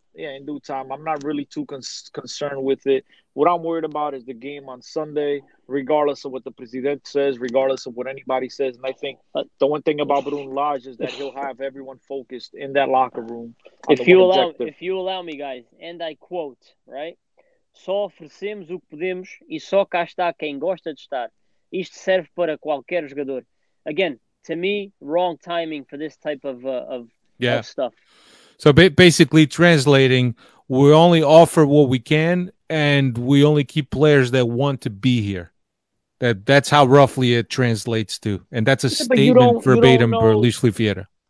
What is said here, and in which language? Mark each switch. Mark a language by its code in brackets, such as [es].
[en] Yeah, in due time. I'm not really too concerned with it. What I'm worried about is the game on Sunday, regardless of what the president says, regardless of what anybody says. And I think the one thing about Bruno Lage is that he'll have everyone focused in that locker room. If you allow me, guys, and I quote, right? [pt] Só oferecemos o que podemos e só cá está quem gosta de estar. Isto serve para qualquer jogador. Again, to me, wrong timing for this type of stuff. [en] So basically translating, we only offer what we can and we only keep players that want to be here. That's how roughly it translates to. And that's a statement verbatim for Luis Vieira.